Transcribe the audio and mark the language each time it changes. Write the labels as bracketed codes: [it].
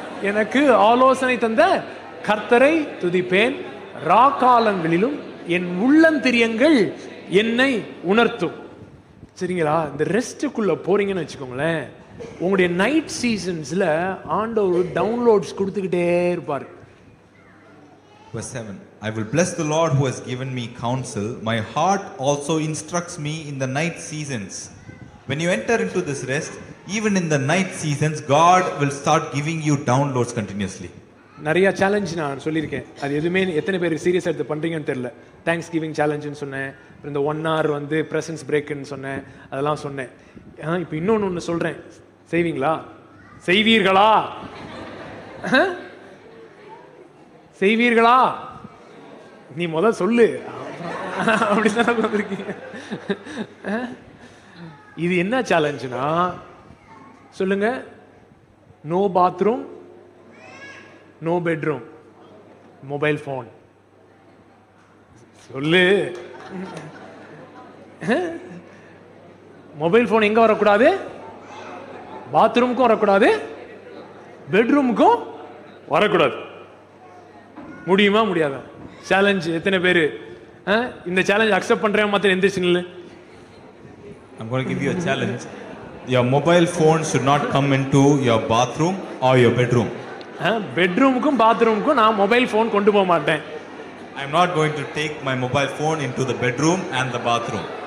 [ta] எனக்கு ஆலோசனை தந்த கர்த்தரை துதிப்பேன், ராக்காலங்களிலும் என் உள்ளந்திரியங்கள் என்னை உணர்த்தும். சரிங்களா? இந்த ரெஸ்ட்டுக்குள்ள போறீங்கன்னு வச்சுக்கோங்களேன், உங்களுடைய நைட் சீசன்ஸ்ல ஆண்டவர் டவுன்லோட்ஸ் கொடுத்துக்கிட்டே இருப்பார். [en] Verse 7. I will bless the Lord who has given me counsel. My heart also instructs me in the night seasons. When you enter into this rest, even in the night seasons, God will start giving you downloads continuously. [ta] நிறைய சவாலஞ்ச் நான் சொல்லிருக்கேன். அது எதுமே எத்தனை பேர் சீரியஸா எடுத்து பண்றீங்கன்னு தெரியல. தேங்க்ஸ்கிவிங் சவாலஞ்ச் னு சொன்னேன். இந்த 1 hour வந்து பிரசன்ஸ் பிரேக் னு சொன்னேன். அதெல்லாம் சொன்னேன். இப்போ இன்னொன்னு சொல்றேன். செய்வீங்களா? செய்வீர்களா? செய்வீர்களா? நீ முதல்ல சொல்லு. அப்படி தான் வந்திருக்கீங்க. இது என்ன சவாலஞ்ச்னா சொல்லுங்க, no bathroom, no bedroom, mobile phone சொல்லு. மொபைல் போன் எங்க வரக்கூடாது? பாத்ரூமுக்கும் வரக்கூடாது, பெட்ரூமுக்கும் வரக்கூடாது. முடியுமா? முடியாத சேலஞ்ச். எத்தனை பேரு இந்த சேலஞ்ச் அக்செப்ட் பண்ற மாதிரி எந்திரிச்சுங்களு? [en] I'm going to give you a challenge. Your mobile phone should not come into your bathroom or your bedroom. [ta] Bedroom ku bathroom ku na mobile phone kondu povamaten. [en] I'm not going to take my mobile phone into the bedroom and the bathroom.